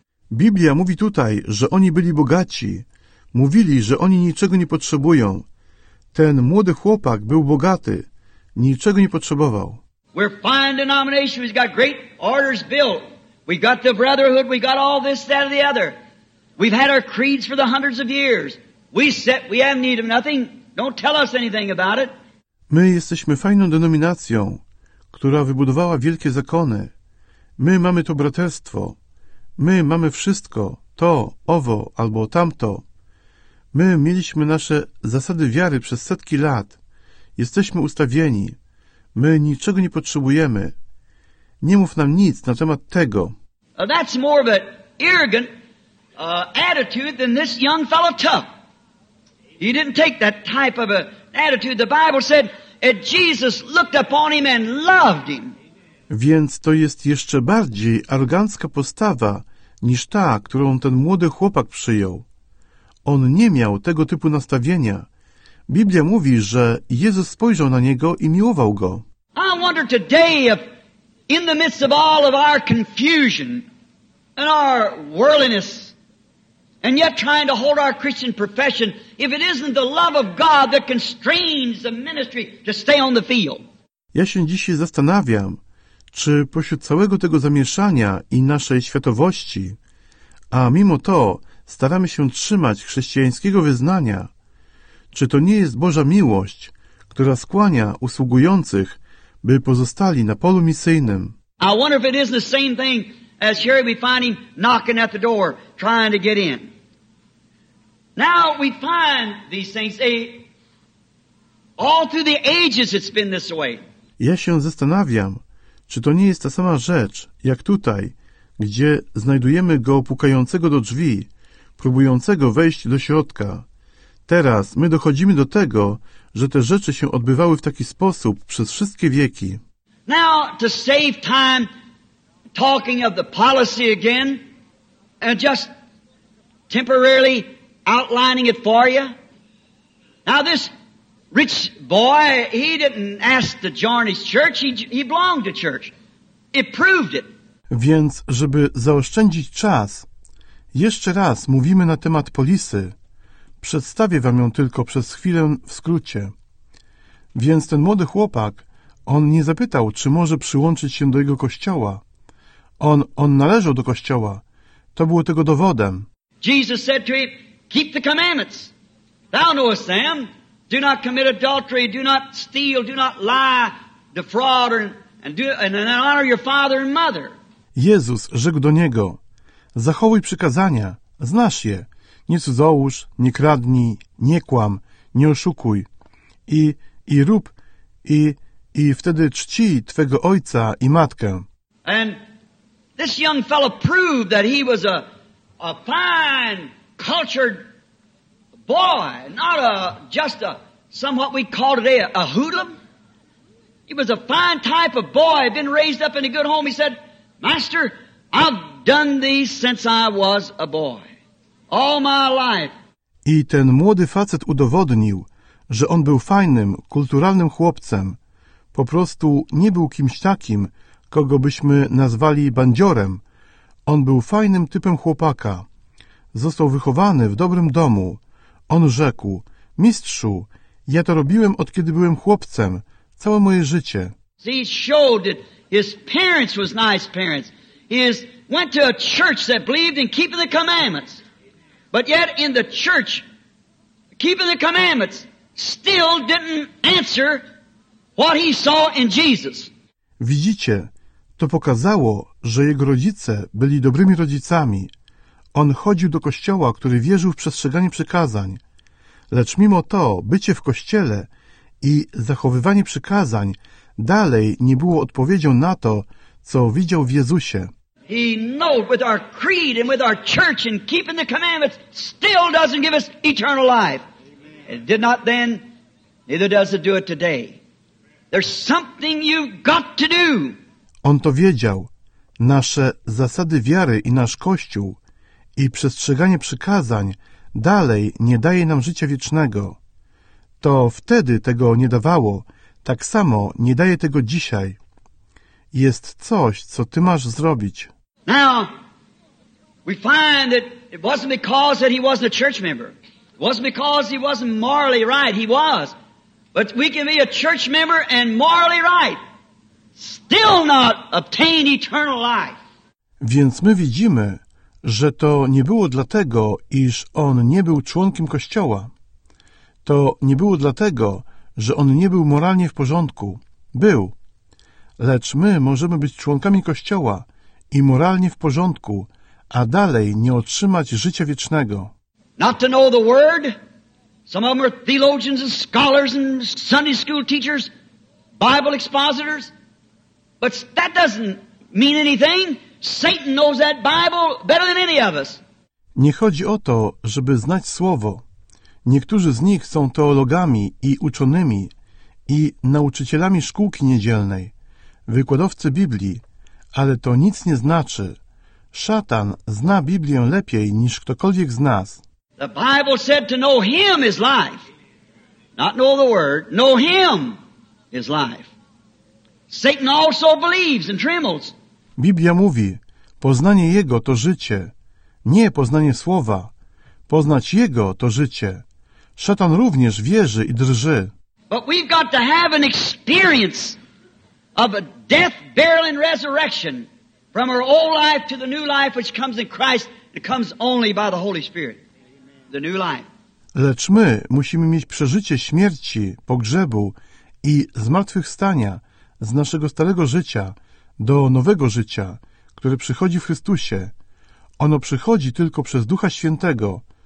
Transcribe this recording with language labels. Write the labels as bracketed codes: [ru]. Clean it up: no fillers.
[pl] Biblia mówi tutaj, że oni byli bogaci. Mówili, że oni niczego nie potrzebują. Ten młody chłopak był bogaty. Niczego nie potrzebował. [en] We're fine denomination. We've got great orders built. We've got the brotherhood. We've got all this, that, or the other. We've had our creeds for the hundreds of years. We have need of nothing. Don't tell us anything about it. [pl] My jesteśmy fajną denominacją, która wybudowała wielkie zakony. My mamy to braterstwo. My mamy wszystko, to, owo, albo tamto. My mieliśmy nasze zasady wiary przez setki lat. Jesteśmy ustawieni. My niczego nie potrzebujemy. Nie mów nam nic na temat tego. [en] That's more of an arrogant attitude than this young fellow took. He didn't take that type of an attitude. The Bible said, and Jesus looked upon him and loved him. [pl] Więc to jest jeszcze bardziej arogancka postawa niż ta, którą ten młody chłopak przyjął. On nie miał tego typu nastawienia. Biblia mówi, że Jezus spojrzał na niego i miłował go. [en] I wonder today if in the midst of all of our confusion and our worldliness and yet trying to hold our Christian profession, if it isn't the love of God that constrains the ministry to stay on the field. [pl] Ja się dzisiaj zastanawiam, czy pośród całego tego zamieszania i naszej światowości, a mimo to staramy się trzymać chrześcijańskiego wyznania, czy to nie jest Boża miłość, która skłania usługujących, by pozostali na polu misyjnym? [en] I wonder if it isn't the same thing as here we find him knocking at the door, trying to get in. Now we find these things, all through the ages it's been this way. [pl] Ja się zastanawiam, czy to nie jest ta sama rzecz, jak tutaj, gdzie znajdujemy go pukającego do drzwi, próbującego wejść do środka. Teraz my dochodzimy do tego, że te rzeczy się odbywały w taki sposób przez wszystkie wieki. [en] Now, to save time talking of the policy again and just temporarily outlining it for you. Now this rich boy, he didn't ask to join his church, he belonged to church. It proved it. [pl] Więc, żeby zaoszczędzić czas, jeszcze raz mówimy na temat polisy. Przedstawię wam ją tylko przez chwilę w skrócie. Więc ten młody chłopak, on nie zapytał, czy może przyłączyć się do jego kościoła. On należał do kościoła. To było tego dowodem. [en] Jesus said to him, keep the commandments. Thou knowest them. Do not commit adultery, do not steal, do not lie, defraud, and honor your father and mother. [pl] Jezus rzekł do niego, zachowuj przykazania, znasz je. Nie cudzołóż, nie kradnij, nie kłam, nie oszukuj. I rób, i wtedy czci twego ojca i matkę. [en] And this young fellow proved that he was a fine, cultured boy, not just some what we call today a hoodlum. He was a fine type of boy, been raised up in a good home. He said, Master, I've done these since I was a boy. All my life. [pl] I ten młody facet udowodnił, że on był fajnym, kulturalnym chłopcem. Po prostu nie był kimś takim, kogo byśmy nazwali bandziorem. On był fajnym typem chłopaka. Został wychowany w dobrym domu. On rzekł, Mistrzu, ja to robiłem od kiedy byłem chłopcem, całe moje życie. [en] He showed that his parents was nice parents. He went to a church that believed in keeping the commandments. But yet in the church, keeping the commandments, still didn't answer what he saw in Jesus. [pl] Widzicie, to pokazało, że jego rodzice byli dobrymi rodzicami. On chodził do kościoła, który wierzył w przestrzeganie przykazań. Lecz mimo to, bycie w kościele i zachowywanie przykazań dalej nie było odpowiedzią na to, co widział w Jezusie. [en] He knew with our creed and with our church and keeping the commandments still doesn't give us eternal life. It did not then, neither does it do it today. There's something you've got to do. [pl] On to wiedział. Nasze zasady wiary i nasz Kościół i przestrzeganie przykazań dalej nie daje nam życia wiecznego. To wtedy tego nie dawało, tak samo nie daje tego dzisiaj. Jest coś, co ty masz zrobić. [en] Now, we find that it wasn't because that he wasn't a church member. It wasn't because he wasn't morally right. He was. But we can be a church member and morally right. Still not obtain eternal life. [pl] Więc my widzimy, że to nie było dlatego, iż on nie był członkiem kościoła. To nie było dlatego, że on nie był moralnie w porządku. Był. Lecz my możemy być członkami kościoła i moralnie w porządku, a dalej nie otrzymać życia wiecznego. [en] Not to know the word. Some of them are theologians and scholars and Sunday school teachers, Bible expositors. But that doesn't mean anything. Satan knows that Bible better than any of us. [pl] Nie chodzi o to, żeby znać słowo. Niektórzy z nich są teologami i uczonymi i nauczycielami szkółki niedzielnej. wykładowcy Biblii, ale to nic nie znaczy. Szatan zna Biblię lepiej niż ktokolwiek z nas. [en] The Bible said to know him is life. Not know the word, know him is life. Satan also believes and trembles. [pl] Biblia mówi, poznanie Jego to życie, nie poznanie Słowa. Poznać Jego to życie. Szatan również wierzy i drży. [en] But we've got to have an experience of a death, burial and resurrection from our old life to the new life which comes in Christ. It comes only by the Holy Spirit. The new life. [pl] Lecz my musimy mieć przeżycie śmierci, pogrzebu i zmartwychwstania z naszego starego życia do nowego życia, które przychodzi w Chrystusie. Ono przychodzi tylko przez Ducha Świętego.